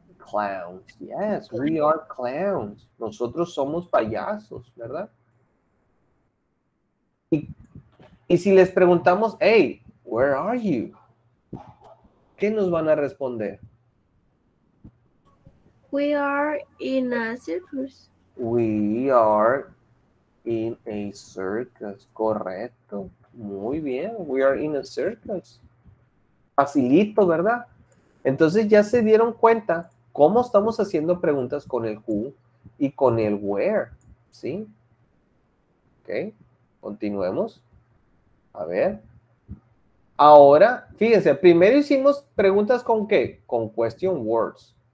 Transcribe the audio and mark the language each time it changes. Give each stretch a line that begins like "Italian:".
English: Clowns, yes, we are clowns.
Spanish: Nosotros somos payasos, ¿verdad? Y si les preguntamos,
English: hey, where are you?
Spanish: ¿Qué nos van a responder?
English: We are in a circus. We are in a circus, correcto.
Spanish: Muy bien,
English: we are in a circus.
Spanish: Facilito, ¿verdad? Entonces ya se dieron cuenta cómo estamos haciendo preguntas con el who y con el where, ¿sí? Ok, continuemos. A ver. Ahora, fíjense, primero hicimos preguntas con qué, con question words.